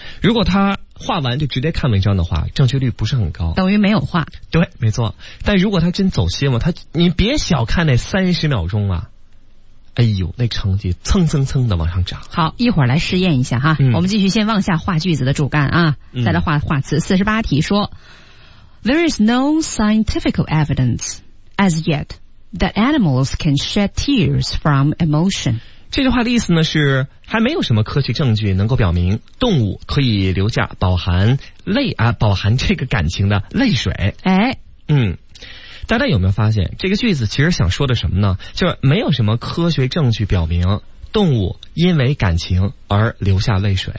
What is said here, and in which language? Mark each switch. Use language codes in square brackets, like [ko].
[zh] 如果他画完就直接看文章的话，正确率不是很高，等于没有画。对，没错。但如果他真走心了，他你别小看那三十秒钟啊。哎呦，那成绩蹭蹭蹭的往上涨。好，一会儿来试验一下哈、我们继续先往下画句子的主干啊，再来画画词。 [en] 48题说、There is no scientific evidence as yet that animals can shed tears from emotion。 [zh] 这句话的意思呢是，还没有什么科学证据能够表明动物可以留下饱含这个感情的泪水。哎，大家有没有发现这个句子其实想说的什么呢？就是没有什么科学证据表明动物因为感情而流下泪水。